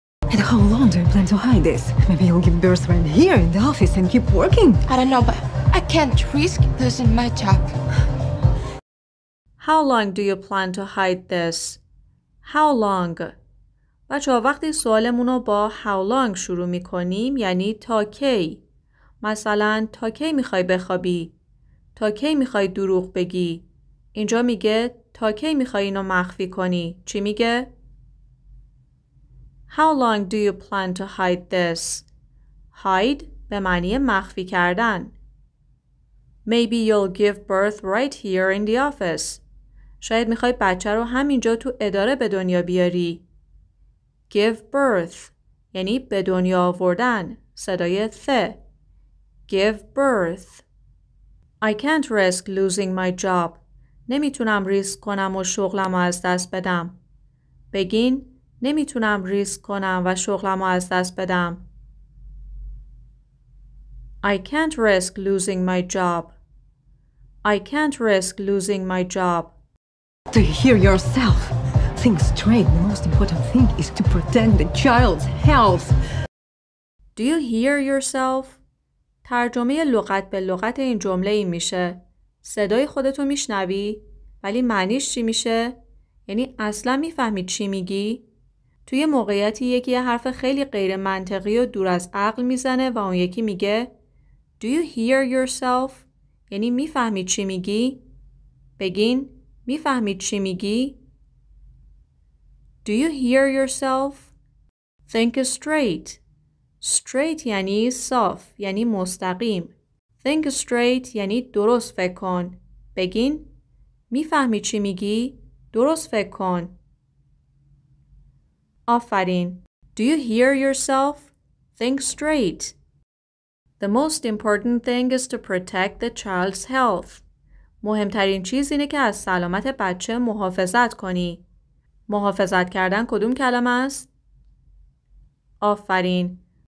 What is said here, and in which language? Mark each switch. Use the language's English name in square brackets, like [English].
[English] And how long do you plan to hide this? Maybe you'll give birth right here in the office and keep working. I don't know, but I can't risk losing my job. How long do you plan to hide this? How long? [Persian] بچه ها وقتی سوالمونو با how long شروع میکنیم یعنی تا کی؟ مثلا تا کی میخوای بخوابی؟ تا کی میخوای دروغ بگی؟ اینجا میگه تا کی میخوای اینو مخفی کنی؟ چی میگه؟ [English] How long do you plan to hide this? [Persian] Hide به معنی مخفی کردن. [English] Maybe you'll give birth right here in the office. [Persian] شاید میخوای بچه رو همینجا تو اداره به دنیا بیاری. [English] Give birth [Persian] یعنی به دنیا آوردن. صدای ث. [English] Give birth. I can't risk losing my job. [Persian] نمیتونم ریسک کنم و شغلم رو از دست بدم. بگین نمیتونم ریسک کنم و شغلم رو از دست بدم. [English] I can't risk losing my job. I can't risk losing my job. Do you hear yourself? Think straight. The most important thing is to protect the child's health. Do you hear yourself? [Persian] ترجمه لغت به لغت این جمله این میشه. صدای خودتو میشنوی؟ ولی معنیش چی میشه؟ یعنی اصلا میفهمی چی میگی؟ توی موقعیتی یکی یه حرف خیلی غیر منطقی و دور از عقل میزنه و اون یکی میگه [English] Do you hear yourself؟ [Persian] یعنی میفهمی چی میگی؟ بگین میفهمی چی میگی؟ [English] Do you hear yourself? Think straight. [Persian] Straight یعنی صاف، یعنی مستقیم. [English] Think straight [Persian] یعنی درست فکر کن. بگین میفهمی چی میگی؟ درست فکر کن. [English] آفرین. Do you hear yourself? Think straight. The most important thing is to protect the child's health. [Persian] مهمترین چیز اینه که از سلامت بچه محافظت کنی. محافظت کردن کدوم کلمه است؟ آفرین.